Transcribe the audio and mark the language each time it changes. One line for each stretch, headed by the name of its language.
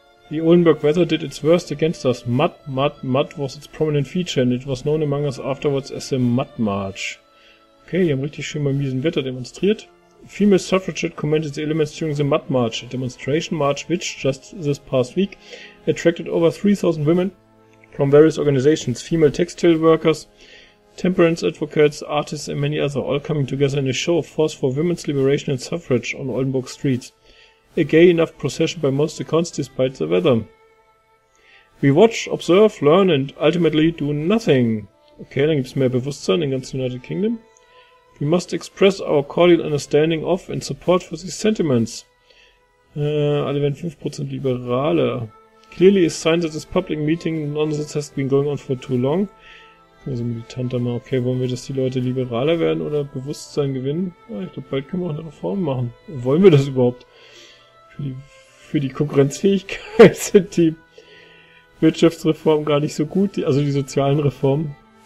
English: The Oldenburg weather did its worst against us. Mud was its prominent feature and it was known among us afterwards as the Mud March.
German: Okay, die haben richtig schön beim miesen Wetter demonstriert.
English: Female suffragette commented the elements during the Mud March, a demonstration march which, just this past week, attracted over 3,000 women from various organizations, female textile workers, temperance advocates, artists and many other, all coming together in a show of force for women's liberation and suffrage on Oldenburg streets. A gay enough procession by most accounts despite the weather. We watch, observe, learn and ultimately do nothing.
German: Okay, dann gibt's mehr Bewusstsein in ganz United Kingdom.
English: We must express our cordial understanding of and support for these sentiments.
German: Alle werden 5% liberaler.
English: Clearly a sign that this public meeting nonsense has been going on for too long.
German: Also militanter mal, okay, wollen wir, dass die Leute liberaler werden oder Bewusstsein gewinnen? Ja, ich glaube, bald können wir auch eine Reform machen. Wollen wir das überhaupt? Für die Konkurrenzfähigkeit sind die Wirtschaftsreformen gar nicht so gut, also die sozialen Reformen.